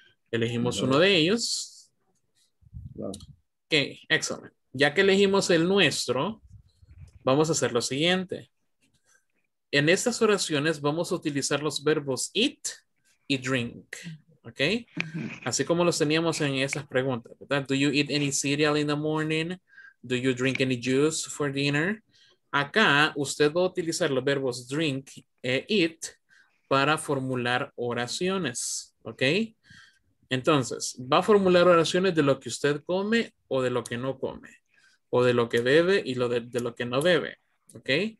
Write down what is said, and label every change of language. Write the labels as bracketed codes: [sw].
[es] Elegimos uno de ellos. Ok, excelente. Ya que elegimos el nuestro, vamos a hacer lo siguiente. En estas oraciones vamos a utilizar los verbos eat y drink, ok, así como los teníamos en esas preguntas, ¿verdad? [en] Do you eat any cereal in the morning? Do you drink any juice for dinner? [es] Acá usted va a utilizar los verbos drink e eat para formular oraciones, ¿ok? Entonces, va a formular oraciones de lo que usted come o de lo que no come, o de lo que bebe y de lo que no bebe, ¿ok?